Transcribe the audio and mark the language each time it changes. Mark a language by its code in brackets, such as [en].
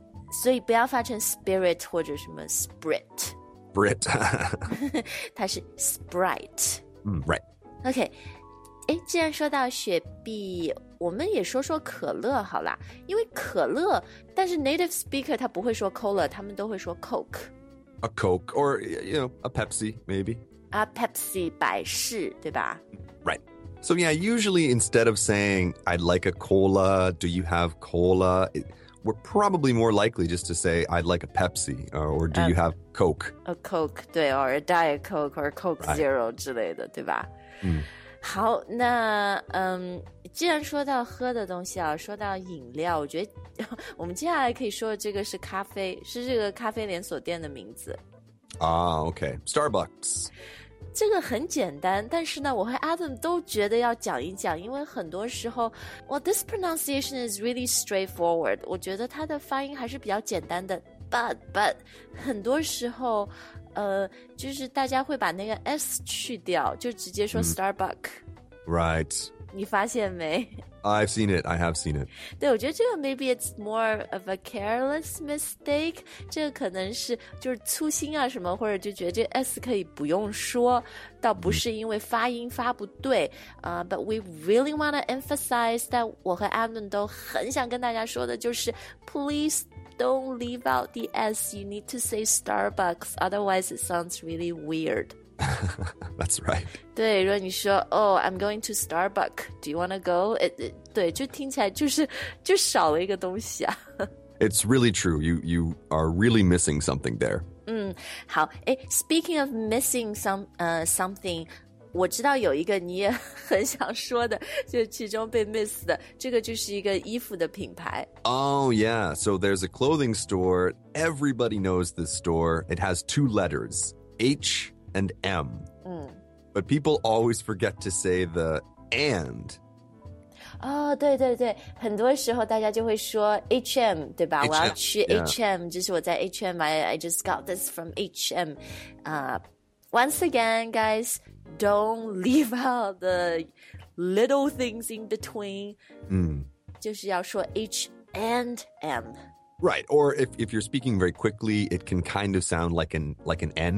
[zh] 所以不要发成 Spirit 或者什么 Sprit. [en] Sprit. [zh] 它是 Sprite. [en] Right. [zh] Okay, 既然说到雪碧，我们也说说可乐好啦，因为可乐，但是 native speaker 他不会说 cola, 他们都会说 coke. [en] A Coke, or, you know, a Pepsi, maybe. [zh] A Pepsi, 百事对吧 [en] Right. So, yeah, usually instead of saying, I'd like a cola, do you have cola? We're probably more likely just to say, I'd like a Pepsi, or do you have Coke? [zh] A Coke, 对 [en] or a Diet Coke, or a Coke Zero [zh] 之类的对吧、好那既然说到喝的东西啊说到饮料我觉得我们接下来可以说这个是咖啡是这个咖啡连锁店的名字。 [en] Okay, Starbucks. [zh] 这个很简单但是呢我和 Adam 都觉得要讲一讲因为很多时候 [en] well, this pronunciation is really straightforward. [zh] 我觉得它的发音还是比较简单的 but, 很多时候就是大家会把那个 S 去掉就直接说 Starbucks. [en] Right. [zh] 你发现没 [en] I've seen it. I have seen it. [zh] 对我觉得这个 [en] maybe it's more of a careless mistake. [zh] 这个可能是就是粗心啊什么或者就觉得这 S 可以不用说倒不是因为发音发不对、 [en] But we really want to emphasize that [zh] 我和 Adam 都很想跟大家说的就是 [en] Please don't leave out the S. You need to say Starbucks. Otherwise it sounds really weird. That's right. [zh] 对，如果你说 [en] "Oh, I'm going to Starbucks. Do you want to go?" [zh] 对，就听起来就少了一个东西啊。 [en] It's really true. You are really missing something there. [zh] 好，哎 ， [en] Speaking of missing something, [zh] 我知道有一个你也很想说的，就其中被 miss 的，这个就是一个衣服的品牌。 [en] Oh yeah. So there's a clothing store. Everybody knows this store. It has two letters, H. And M. But people always forget to say the and. [zh] 哦，对对对，很多时候大家就会说 HM，对吧？我要 去 HM，就是我在 HM 买， [en] I just got this from HM。 Once again, guys, don't leave out the little things in between。 [zh] 就是要说 H and M。 [en] Right, or if you're speaking very quickly, it can kind of sound like an N,